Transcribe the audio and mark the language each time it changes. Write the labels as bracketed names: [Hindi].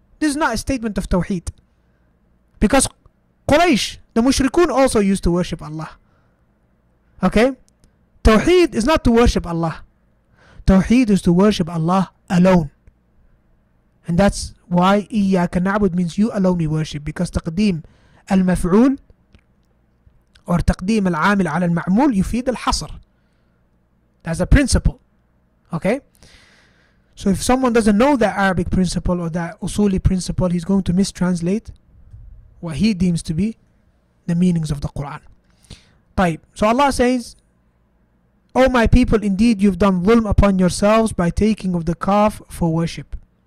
[English] This is not a statement of Tawheed. Because Quraysh, the Mushrikun, also used to worship Allah. Okay? Tawheed is not to worship Allah. Tawheed is to worship Allah alone. And that's why [Arabic] إِيَّاكَ نَعْبُدْ [English] means you alone we worship. Because [Arabic] تَقْدِيم الْمَفْعُول [English] or [Arabic] تقديم العامل على المعمول يفيد الحصر. [English] That's a principle. Okay? So if someone doesn't know that Arabic principle or that Usuli principle, he's going to mistranslate what he deems to be the meanings of the Quran. [Arabic] طيب. [English] So Allah says, O my people, indeed you've done dhulm upon yourselves by taking of the calf for worship.